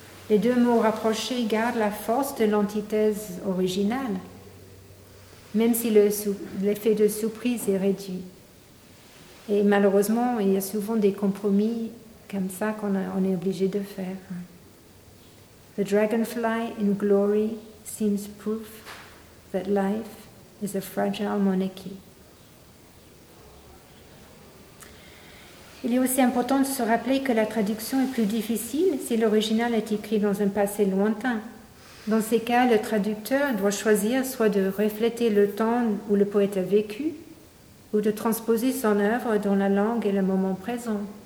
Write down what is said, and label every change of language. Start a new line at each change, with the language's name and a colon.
French: Les deux mots rapprochés gardent la force de l'antithèse originale, même si l'effet de surprise est réduit. Et malheureusement, il y a souvent des compromis comme ça qu'on est obligé de faire.
English: The dragonfly in glory seems proof that life is a fragile monarchy.
French: Il est aussi important de se rappeler que la traduction est plus difficile si l'original est écrit dans un passé lointain. Dans ces cas, le traducteur doit choisir soit de refléter le temps où le poète a vécu, ou de transposer son œuvre dans la langue et le moment présent.